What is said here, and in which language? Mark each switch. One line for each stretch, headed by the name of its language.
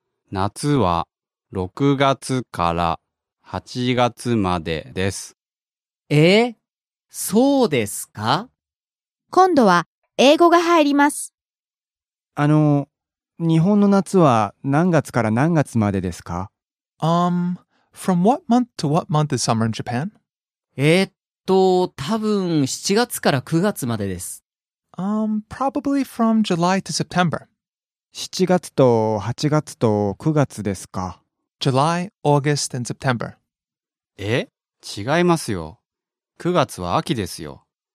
Japanese: 夏は6月から8月までです。え、そうですか？今度は英語が入ります。日本の夏は何月から何月までですか？
English: From what month to what month is summer in Japan?
Japanese: 多分7月から9月までです。
English: Probably from July to September.
Japanese: 7月と8月と9月ですか？
English: July, August, and September.
Japanese: え？違いますよ。9月は秋ですよ。